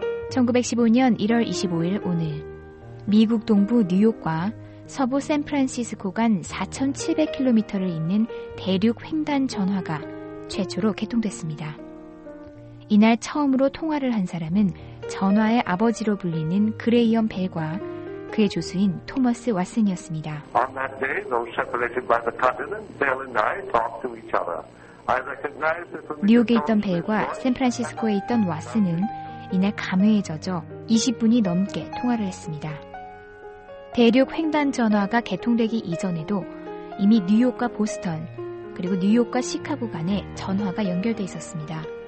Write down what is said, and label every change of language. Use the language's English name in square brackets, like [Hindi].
[Korean] 1915년 1월 25일 오늘 미국 동부 뉴욕과 서부 샌프란시스코 간 4,700km를 잇는 대륙 횡단 전화가 최초로 개통됐습니다. 이날 처음으로 통화를 한 사람은 전화의 아버지로 불리는 그레이엄 벨과 그의 조수인 토머스 왓슨이었습니다. [English] On that day, though separated by the continent, Bell and I talked to each other. I recognized that from the [Korean] 뉴욕에 있던 벨과 샌프란시스코에 있던 왓슨은 이날 감회에 젖어 20분이 넘게 통화를 했습니다. 대륙 횡단 전화가 개통되기 이전에도 이미 뉴욕과 보스턴, 그리고 뉴욕과 시카고 간에 전화가 연결돼 있었습니다.